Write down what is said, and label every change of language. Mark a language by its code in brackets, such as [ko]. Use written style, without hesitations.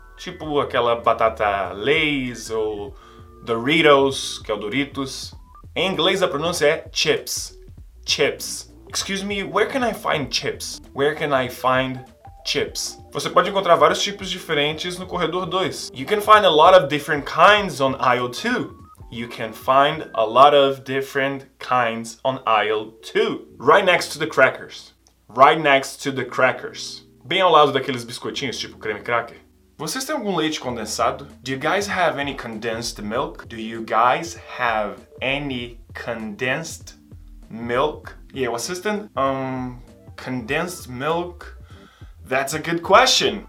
[pt] Tipo aquela batata Lay's ou Doritos, que é o Doritos. Em inglês a pronúncia é chips. [en] Chips. Excuse me, where can I find chips? Where can I find chips? [pt] Você pode encontrar vários tipos diferentes no corredor 2. [en] You can find a lot of different kinds on aisle 2. You can find a lot of different kinds on aisle 2. Right next to the crackers. Right next to the crackers. [pt] Bem ao lado daqueles biscoitinhos, tipo creme cracker. Vocês têm algum leite condensado? [en] Do you guys have any condensed milk? Do you guys have any condensed milk? [pt] E aí, o assistente? [en] Condensed milk? That's a good question.